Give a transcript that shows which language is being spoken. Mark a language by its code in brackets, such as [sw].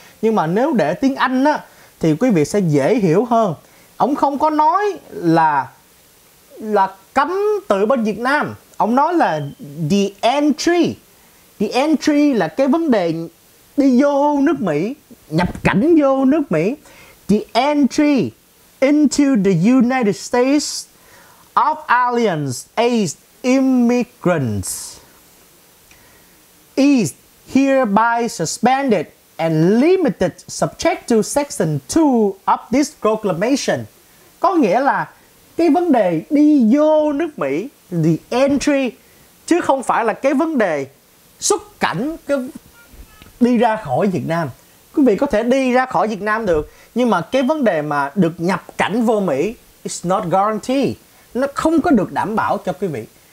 [vi] Nhưng mà nếu để tiếng Anh đó, thì quý vị sẽ dễ hiểu hơn. Ổng không có nói là cấm từ bên Việt Nam. Ổng nói là the entry. The entry là cái vấn đề đi vô nước Mỹ, nhập cảnh vô nước Mỹ. The entry [en] into the United States of aliens as immigrants is hereby suspended and limited subject to section 2 of this proclamation. [vi] Có nghĩa là cái vấn đề đi vô nước Mỹ, the entry, chứ không phải là cái vấn đề xuất cảnh, cái đi ra khỏi Việt Nam. Quý vị có thể đi ra khỏi Việt Nam được, nhưng mà cái vấn đề mà được nhập cảnh vô Mỹ, [en] it's not guaranteed, [vi] nó không có được đảm bảo cho quý vị.